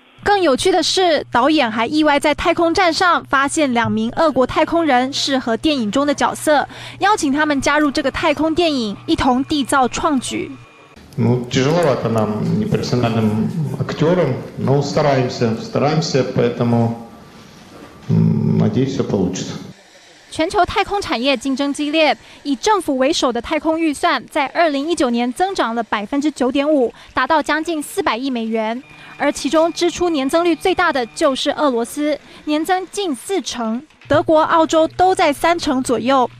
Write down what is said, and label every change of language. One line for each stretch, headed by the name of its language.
Chinese: 更有趣的是，导演还意外在太空站上发现2名俄国太空人适合电影中的角色，邀请他们加入这个太空电影，一同缔造创举。
Russian: Ну, тяжеловато нам непрофессиональным актерам, но стараемся, поэтому надеюсь, все получится.
Chinese: 全球太空产业竞争激烈，以政府为首的太空预算在2019年增长了9.5%，达到将近400亿美元。而其中支出年增率最大的就是俄罗斯，年增近40%，德国、澳洲都在30%左右。